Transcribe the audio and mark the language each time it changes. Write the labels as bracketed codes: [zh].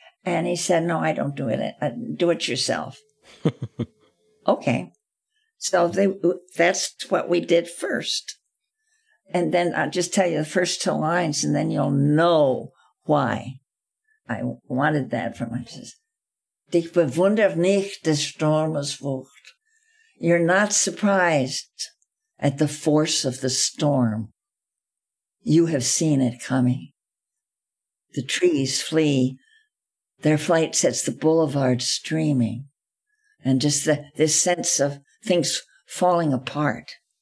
[en] And he said, no, I don't do it. Do it yourself. Okay. So that's what we did first. And then I'll just tell you the first two lines, and then you'll know why I wanted that from him. [de] Dich bewundert nicht des Sturmes Wucht. [en] You're not surprised at the force of the storm. You have seen it coming. The trees flee. Their flight sets the boulevard streaming. And just this sense of things falling apart.